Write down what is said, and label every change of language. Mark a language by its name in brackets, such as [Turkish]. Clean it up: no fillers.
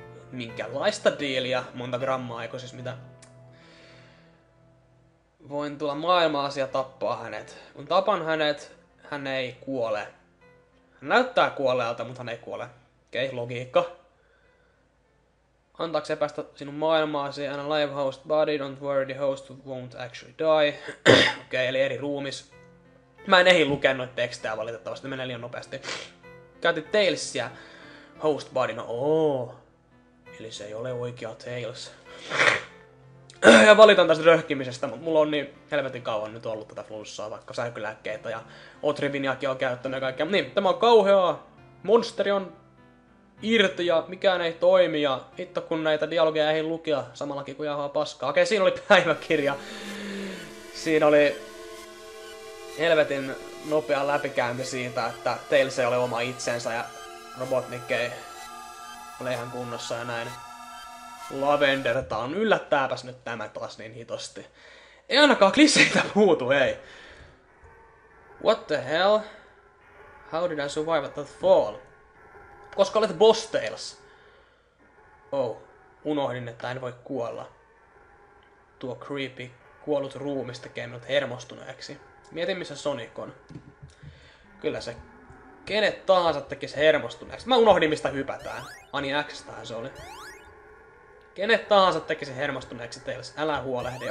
[Finnish] Minkälaista diiliä, monta grammaa, eikö siis mitä? Voin tulla maailmaasi ja tappaa hänet. Kun tapan hänet, hän ei kuole. Hän näyttää kuolleelta, mutta hän ei kuole. Okei, logiikka. Antaako se päästä sinun maailmaasi? [English] And a live host body, don't worry, the host won't actually die. [Finnish] Okei, eli eri ruumis. Mä en ehdi lukea noita tekstejä valitettavasti, menee liian nopeasti. Käytit Tailsia host body, no ooo. Eli se ei ole oikea Tails. Ja valitan tästä röhkimisestä, mutta mulla on niin helvetin kauan nyt ollut tätä flussaa, vaikka sähkylääkkeitä ja Otriviniakin on käyttänyt ja kaikkea. Niin, tämä on kauheaa. Monsteri on irti ja mikään ei toimi ja hitto kun näitä dialogeja ei lukea samallakin kuin jauhaa paskaa. Okei, siinä oli päiväkirja. Siinä oli helvetin nopea läpikäynti siitä, että Tails ei ole oma itsensä ja Robotnik ei ole ihan kunnossa ja näin. Lavender Town, yllättääpäs nyt tämä taas niin hitosti. Ei ainakaan kliseitä puutu, ei. [English] What the hell? How did I survive that fall? [Finnish] Koska olet Boss Tails. Oh, unohdin, että en voi kuolla. Tuo creepy kuollut ruumis tekee minut hermostuneeksi. Mietin, missä Sonic on. Kyllä se kenet tahansa tekisi hermostuneeksi. Mä unohdin, mistä hypätään. Ani X-tähän se oli. Kenet tahansa tekisi hermostuneeksi teille, älä huolehdi.